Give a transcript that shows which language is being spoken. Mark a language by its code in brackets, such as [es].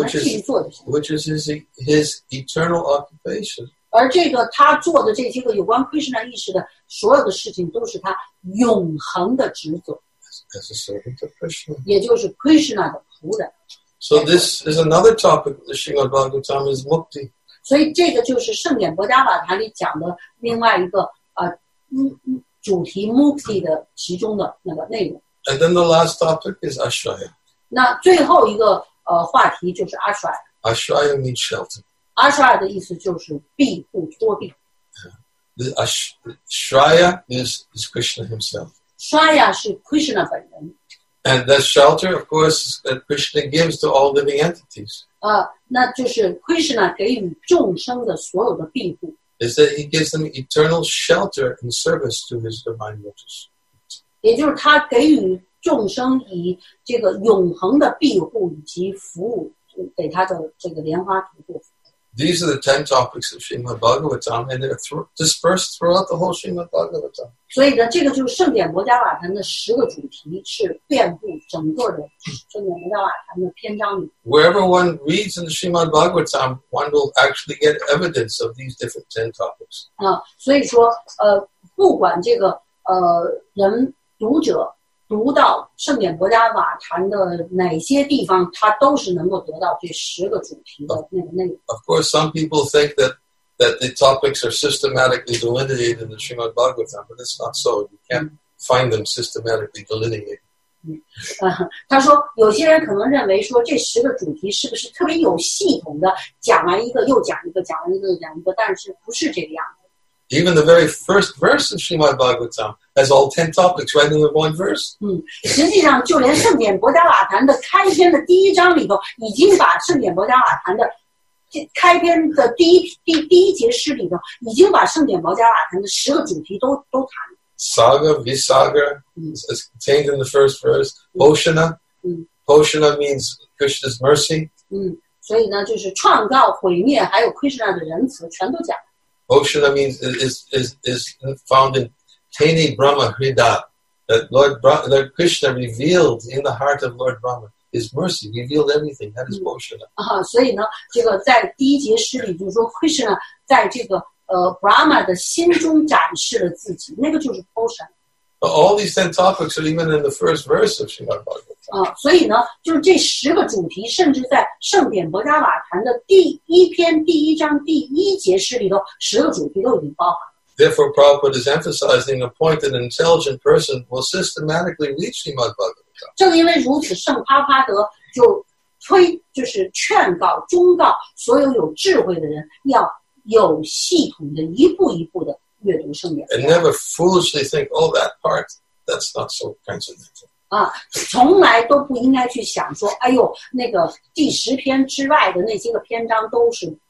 [zh] 那他呢，只是在做什么呢？继续做他这一生当中，他在这一生当中在做的事，继续做的事， [en] which is his eternal occupation. [zh] 而这个他做的这些个有关 Krishna 意识的所有的事情，都是他永恒的职责。 [en] As a servant of Krishna. [zh] 也就是 Krishna 的仆人。 [en] So this is another topic of the Srimad Bhagavatam is Mukti. [zh] 所以这个就是圣典薄伽瓦坛里讲的另外一个主题目的的其中的那个内容。 [en] And then the last topic is Ashraya. [zh] 那最后一个话题就是 Ashraya. [en] Ashraya means shelter. [zh] Ashraya 的意思就是庇护托庇。 [en] Ashraya is Krishna himself. [zh] Ashraya 是 Krishna 本人。 [en] And that shelter, of course, that Krishna gives to all living entities. [zh] 那就是 Krishna 给予众生的所有的庇护。 [en] Is that he gives them eternal shelter and service to his divine lotus. [zh] 也就是他给予众生以这个永恒的庇护以及服务给他的这个莲花图库。 [en] These are the 10 topics of Srimad Bhagavatam, and they're dispersed throughout the whole Srimad Bhagavatam. [zh] 所以呢，这个就是圣典摩迦瓦坛的十个主题，是遍布整个的圣典摩迦瓦坛的篇章里。 [en] Wherever one reads in the Srimad Bhagavatam, one will actually get evidence of these different 10 topics. [zh] 所以说，不管这个人读者读到圣典摩迦瓦坛的哪些地方，他都是能够得到这十个主题的那个内容。 [en] Of course, some people think that the topics are systematically delineated in the Srimad Bhagavatam, but it's not so. You can't find them systematically delineated. [zh] 他说，有些人可能认为说这十个主题是不是特别有系统的讲完一个又讲一个，讲完一个又讲一个，但是不是这个样子。 [en] Even the very first verse of Srimad Bhagavatam has all 10 topics right in the one verse. [zh] 实际上就连圣典摩迦瓦坛的开篇的第一章里头已经把圣典摩迦瓦坛的开篇的第一节诗里头已经把圣典摩迦瓦坛的十个主题都谈了。 [en] Saga, Visaga is contained in the first verse. Poshana. Poshana means Krishna's mercy. [zh] 所以呢就是创造毁灭还有 Krishna 的仁慈全都讲。 [en] Poshana means is found in Teni Brahma Hrida, that Lord Krishna revealed in the heart of Lord Brahma his mercy, revealed everything, that is Poshana. [zh] 所以呢，这个在第一节诗里就是说 Krishna 在这个Brahma 的心中展示了自己，那个就是 Poshana. [en] But all these 10 topics are even in the first verse of Srimad Bhagavatam. [zh] 所以呢，就是这十个主题，甚至在圣典摩迦瓦坛的第一篇第一章第一节诗里头，十个主题都已经包含。 [en] Therefore, Prabhupada is emphasizing a point that an intelligent person will systematically reach Srimad Bhagavatam. [zh] 正因为如此，圣帕帕德就是劝告、忠告所有有智慧的人，要有系统的一步一步的阅读圣典。 [en] And never foolishly think, oh, that part, that's not so transcendental. [zh] 从来都不应该去想说，哎呦，那个第十篇之外的那些个篇章都是。